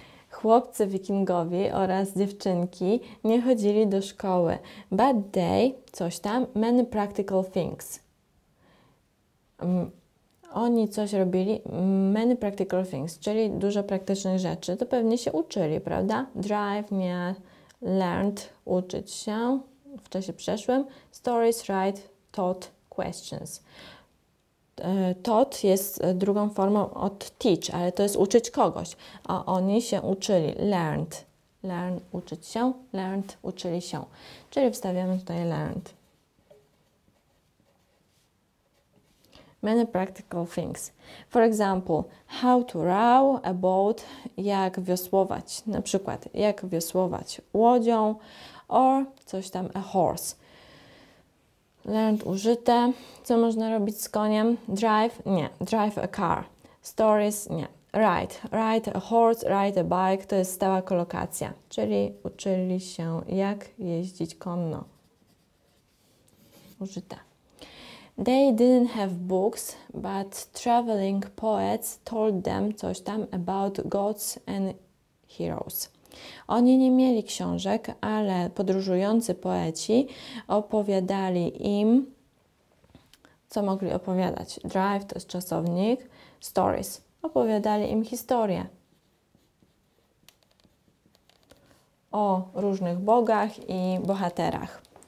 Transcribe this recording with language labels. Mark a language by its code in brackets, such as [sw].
[pl] Chłopcy wikingowie oraz dziewczynki nie chodzili do szkoły. [en] But they, [pl] coś tam, [en] many practical things. [pl] Oni coś robili, [en] many practical things, [pl] czyli dużo praktycznych rzeczy. To pewnie się uczyli, prawda? Drive, nie... learned, uczyć się w czasie przeszłym. [en] Stories, write, taught, questions. [pl] Taught jest drugą formą od teach, ale to jest uczyć kogoś. A oni się uczyli. Learned. Learn, uczyć się. Learned, uczyli się. Czyli wstawiamy tutaj learned. [en] Many practical things. For example, how to row a boat, [pl] jak wiosłować, na przykład, jak wiosłować łodzią, [en] or [pl] coś tam, [en] a horse. [pl] Learned użyte, co można robić z koniem. Drive, nie, drive a car. Stories, nie, ride, [en] ride a horse, ride a bike, [pl] to jest stała kolokacja, czyli uczyli się, jak jeździć konno. Użyte. [en] They didn't have books, but traveling poets told them [pl] coś tam [en] about gods and heroes. [pl] Oni nie mieli książek, ale podróżujący poeci opowiadali im, co mogli opowiadać. Drive to jest czasownik, stories. Opowiadali im historię o różnych bogach i bohaterach.